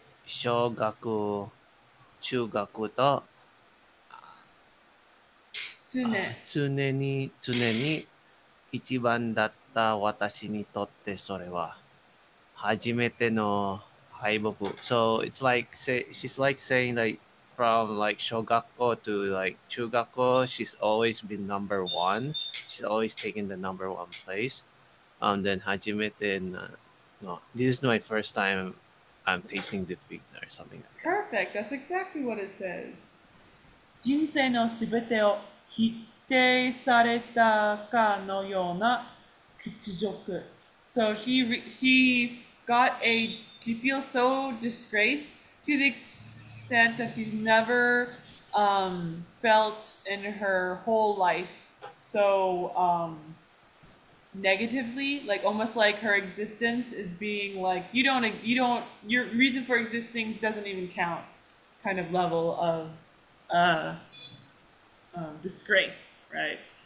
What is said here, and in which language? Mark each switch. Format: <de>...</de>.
<ja>小学、中学と常に一番だった私にとってそれは初めての敗北。</ja> <en>So it's like she's like saying like, from like shogakko to like chugakko, she's always been number one. She's always taken the number one place. And then hajimete, no, this is my first time I'm tasting defeat or something like that. Perfect. That's exactly what it says.</en> <ja>人生のすべてを否定されたかのような屈辱。</ja> <en>So he got a, he feels so disgraced to the extent that she's never felt in her whole life so negatively, like almost like her existence is being like, you don't, your reason for existing doesn't even count kind of level of disgrace, right?</en>